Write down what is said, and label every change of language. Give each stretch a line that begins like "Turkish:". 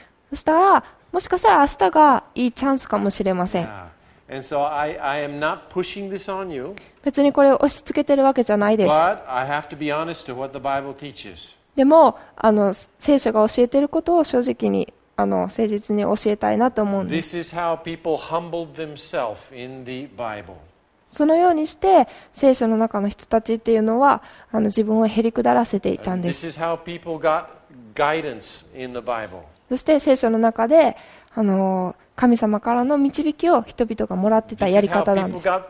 Japanese: そしたらもしかしたら明日がいいチャンスかもしれません。
English: And so I am not pushing this on you.
Japanese: 別にこれを押し付けてるわけじゃないです。
English: But I have to be honest to what the Bible teaches.
Japanese: でも聖書が教えていることを正直に誠実に教えたいなと思うんです。
English: This is how people humbled themselves in the Bible.
Japanese: そのようにして聖書の中の人たちっていうのは自分をへりくだらせていたんです。
English: This is how people got guidance in the Bible.
Japanese: そして聖書の中で神様からの導きを人々がもらってたやり方なんです。